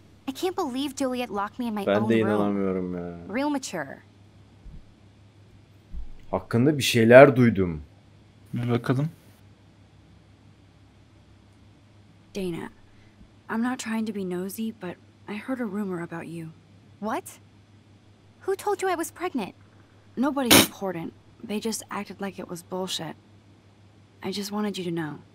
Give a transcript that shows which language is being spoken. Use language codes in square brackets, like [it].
[en] I can't believe Juliet locked me in my own room. [tr] Ben de inanamıyorum ya. [en] Real mature. [tr] Hakkında bir şeyler duydum. Bir bakalım. [en] Dana, I'm not trying to be nosy, but I heard a rumor about you. What? Who told you I was pregnant? Nobody important. They just acted like it was bullshit. I just wanted you to know.